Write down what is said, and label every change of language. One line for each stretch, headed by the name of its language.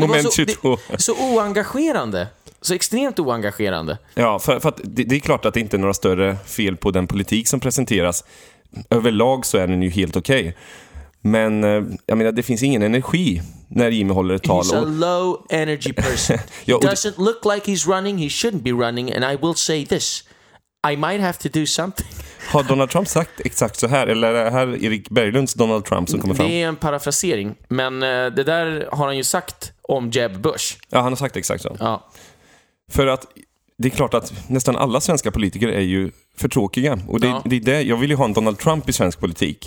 Swedish: Moment 22. Så oengagerande. Så extremt oengagerande. Ja, för att det är klart att det inte är några större fel på den politik som presenteras. Överlag så är den ju helt okej. Men jag menar, det finns ingen energi när Jimmy håller ett tal.
English: He's a low energy person. He doesn't look like he's running, he shouldn't be running, and I will say this. I might have to do something.
Swedish: Har Donald Trump sagt exakt så här, eller är det här Erik Berglunds Donald Trump som kommer fram? Det är en parafrasering, men det där har han ju sagt om Jeb Bush. Ja, han har sagt exakt så. Ja. För att det är klart att nästan alla svenska politiker är ju för tråkiga. Och det är det, jag vill ju ha en Donald Trump i svensk politik.